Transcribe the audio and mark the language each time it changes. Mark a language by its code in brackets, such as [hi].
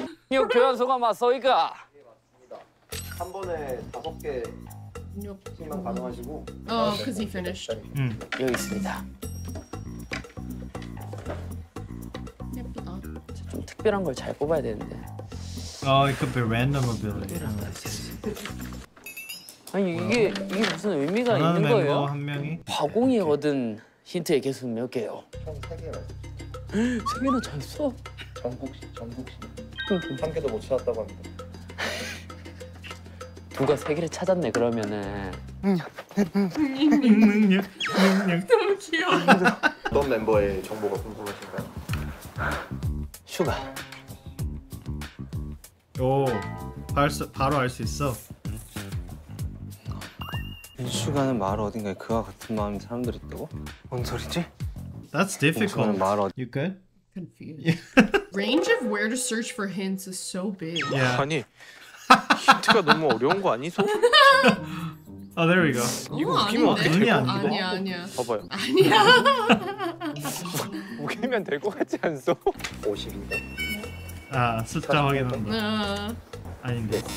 [ko] 이거 교환소가 맞소이까? 네, 맞습니다. 한 번에 다섯 개 팀만 가능하시고 [en] Oh, because he finished. [ko] 여기 있습니다. 특별한 걸 잘 뽑아야 되는데. [en] Oh, it could be random ability. [ko] 아니 이게 [en] wow. [ko] 이게 무슨 의미가 있는 거예요? 멤버 한 명이 화공이 얻은 힌트의 개수는 몇 개요? 총 세 개 맞죠? 세 개나 찾았어? 전국시 한 개도 못 찾았다고 합니다. 누가 세 개를 찾았네 그러면은. 너무 귀여워. 어떤 멤버의 정보가 궁금하신가요? 슈가. 오, 바로 알 수 있어. 슈가는 마을 어딘가에 그와 같은 마음인 사람들이 있다고? 뭔 소리지? [en] That's difficult. [ko] 마을 어디... [en] You good? Confused. Range of where to search for hints is so big. Yeah. [ko] 아니, 힌트가 너무 어려운 거 아니소? [en] Oh, there we go. [ko] 이거 웃기면 어떻게 될 거 같아? 아니야, 아니야. 봐봐요. 아니야. 웃기면 될 거 같지 않소? 50인데. 아, 숫자 확인한 거. 아닌데.